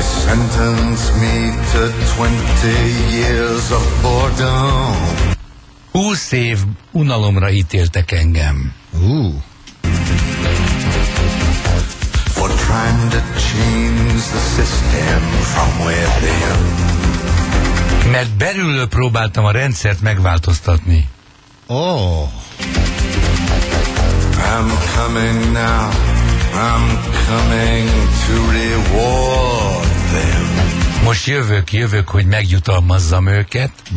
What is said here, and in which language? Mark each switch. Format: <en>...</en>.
<en>Sentence me to 20 years of boredom.</en> <hu>20 év unalomra ítéltek engem.</hu> <en>For trying to change the system from within.</en> <hu>Mert belülről próbáltam a rendszert megváltoztatni.</hu> <en>I'm coming now. I'm coming to reward.</en> <hu>Most jövök, hogy megjutalmazzam őket.</hu>